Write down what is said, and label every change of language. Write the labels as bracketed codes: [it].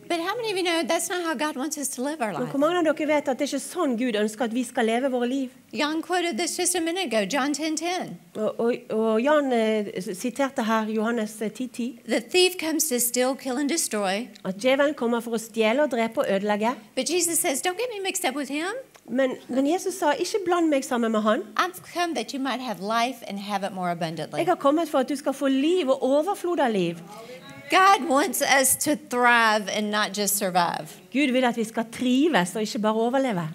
[en] But how many of you know that's not how God wants us to live our life? [no] Men hvor mange av dere vet at det ikke sånn Gud ønsker at vi skal leve vårt liv? [en] Jan quoted this just a minute ago, John 10:10. [no] Og Jan siterte her Johannes 10:10. [en] The thief comes to steal, kill and destroy. [no] At djevelen kommer for å stjele og drepe og ødelegge. [en] But Jesus says, don't get me mixed up with him. [no] Men Jesus sa, ikke bland meg sammen med han. [en] I've come that you might have life and have it more abundantly. [no] Jeg har kommet for at du skal få liv og overflod av liv. [en] God wants us to thrive and not just survive. [no] Gud vil at vi skal trives og ikke bare overleve.